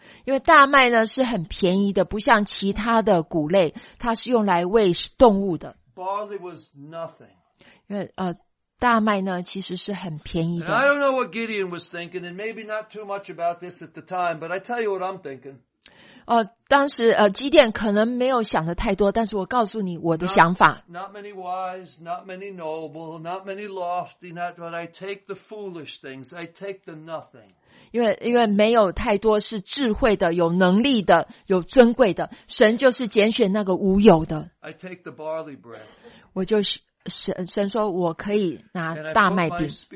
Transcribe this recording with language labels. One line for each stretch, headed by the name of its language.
Chinese: 因为大麦呢是很便宜的，不像其他的谷类，它是用来喂动物的。
English: Barley was nothing.
Chinese: 因为大麦呢其实是很便宜的。
English: And I don't know what Gideon was thinking, and maybe not too much about this at the time, but I tell you what I'm thinking.
Chinese: 当时基甸可能没有想的太多，但是我告诉你我的想法。
English: Not many wise, not many noble, not many lofty, not, but I take the foolish things, I take the nothing.
Chinese: 因为没有太多是智慧的，有能力的，有尊贵的，神就是拣选那个无有的。
English: I take the barley bread.
Chinese: 我就是神说我可以拿大麦饼。